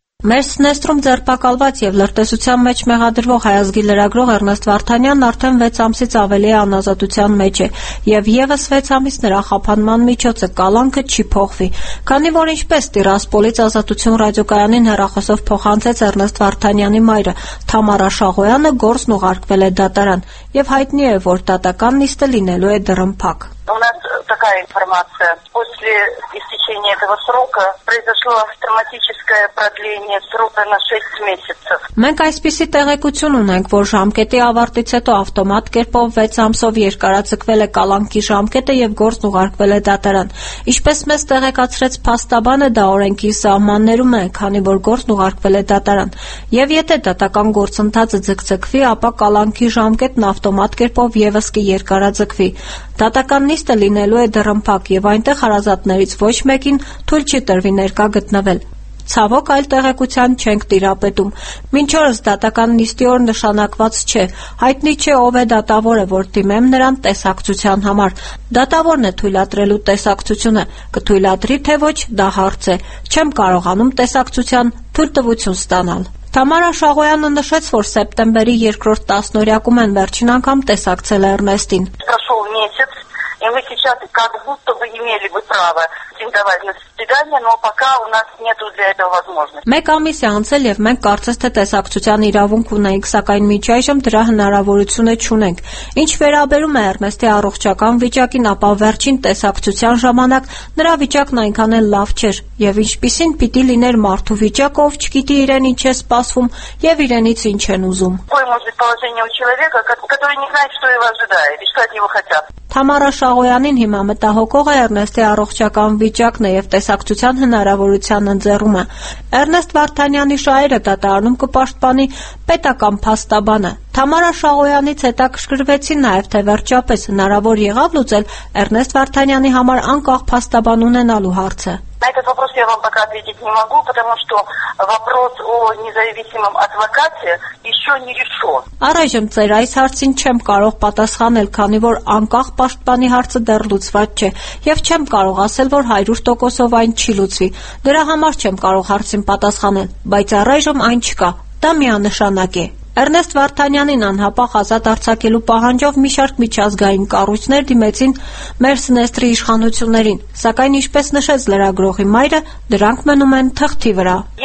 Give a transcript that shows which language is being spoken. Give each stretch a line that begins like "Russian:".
Armenian: Մերսնեստրում ձերբակալված և լրտեսության մեջ մեղադրվող հայազգի լրագրող Էրնեստ Վարդանյանն արդեն 6 ամսից ավելի է անազատության մեջ է, և ևս 6 ամիս նրա խափանման միջոցը կալանքը չի փոխվի։ Քանի որ ինչպես Տիրասպոլից ազատություն ռադիոկայանին հեռախոսով փոխանցեց Էրնեստ Վարդանյանի մայրը, Թամարա Շահոյանը գործն ուղարկվել է դատարան, և հայտնի է, որ դատական նիստը լինելու է դռնփակ։
Russian: У нас такая информация. После истечения этого срока произошло автоматическое продление срока на 6 месяцев.
Armenian: Մենք այսպիսի տեղեկություն ունենք, որ ժամկետի ավարտից հետո ավտոմատ կերպով 6 ամսով երկարացկվել է կալանքի ժամկետը եւ գործն ուղարկվել է դատարան։ Ինչպես մեզ տեղեկացրեց փաստաբանը, դա օրենքի սահմաններում է, քանի որ գործն ուղարկվել է դատարան։ Եվ եթե դատական գործընթացը ձգձգվի, ապա կալանքի ժամկետն ավտոմատ կերպով եւս կերկարացկվի։ Դատական նիստը լինելու է դռնփակ եւ այնտեղ հարազատներից ոչ մեկին թույլ չի տրվի ներկա գտնվել։ Ցավոք այլ տեղեկության չենք տիրապետում։ Մինչ օրս դատական նիստի օր նշանակված չէ։ Հայտնի չէ, ով է դատավորը, որ դիմեմ նրան տեսակցության համար։ Դատավորն է թույլատրելու տեսակցությունը, կթույլատրի թե ոչ, դա հարց է։ Չեմ կարողանում տեսակցության թույլտվություն ստանալ։ Թամարա Շահոյանը նշեց, որ սեպտեմբերի 2-րդ տասնօրյակում են վերջին անգամ տեսակցել Էրնեստին։
Russian: И мы сейчас как будто бы имели бы право синдовать на свидание, но пока у нас нету для этого возможности.
Armenian: Մեկ ամիս է անցել եւ մենք կարծես թե տեսակցության իրավունք ունենք, սակայն միջայժմ դրա հնարավորությունը չունենք։ Ինչ վերաբերում է Էրնեստի առողջական վիճակին, ապա վերջին տեսակցության ժամանակ նրա վիճակն այնքան էլ լավ չէր, եւ ինչպիսին պիտի լիներ մարդու վիճակը, ով չգիտի իրեն ինչ է սպասվում եւ իրենից ինչ են ուզում։
Russian: Ой, может положение у человека, который не знает, что его ожидает, и что от него хотят.
Armenian: Թամարա Շահոյանին հիմա մտահոգող է Էրնեստի առողջական վիճակն եւ տեսակցության հնարավորության ընձեռումը։ Էրնեստ Վարդանյանի շահերը դատարանում կպաշտպանի պետական փաստաբանը։ Թամարա Շահոյանից հետաքրքրվեցին նաեւ, թե վերջապես հնարավոր եղավ լուծել Էրնեստ Վարդանյանի համար անկախ փաստաբան ունենալու հարցը։
Russian: На этот вопрос я вам пока ответить не могу, потому что вопрос о независимом адвокате еще не решен.
Armenian: Առայժմ ծեր այս հարցին չեմ կարող պատասխանել, քանի որ անկախ պաշտպանի հարցը դեռ լուծված չէ, եւ չեմ կարող ասել, որ 100%-ով այն չի լուծվի։ Դրա համար չեմ կարող հարցին պատասխանել, բայց առայժմ այն չկա, դա միանշանակ է։ Էրնեստ Վարդանյանին անհապաղ ազատ արձակելու պահանջով մի շարք միջազգային կառույցներ դիմեցին Մերսնեստրի իշխանություններին, սակայն ինչպես նշեց լրագրողի մայրը, դրանք մնում են թղթի վրա։